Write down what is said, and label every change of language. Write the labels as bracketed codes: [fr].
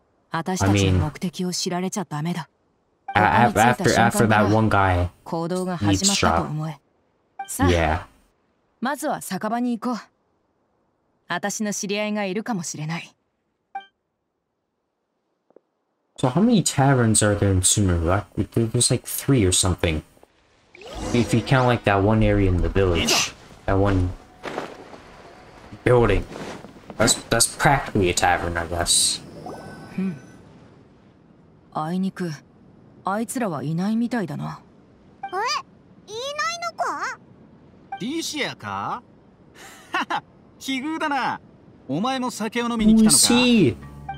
[ja] 私たちの目的を知られちゃダメだ。 [en] After that one guy, [ja] 行動が始まったと思え。さあ、まずは酒場に行こう。私の知り合いがいるかもしれない。 [en] So how many taverns are there in Sumeru? There's like three or something. If you count like that one area in the village, that one building, That's practically a tavern, I guess. [ja] あいにく、あいつらはいないみたいだな。え、いないのか？リシアか？ははっ、奇遇だな。お前も酒を飲みに来たのか？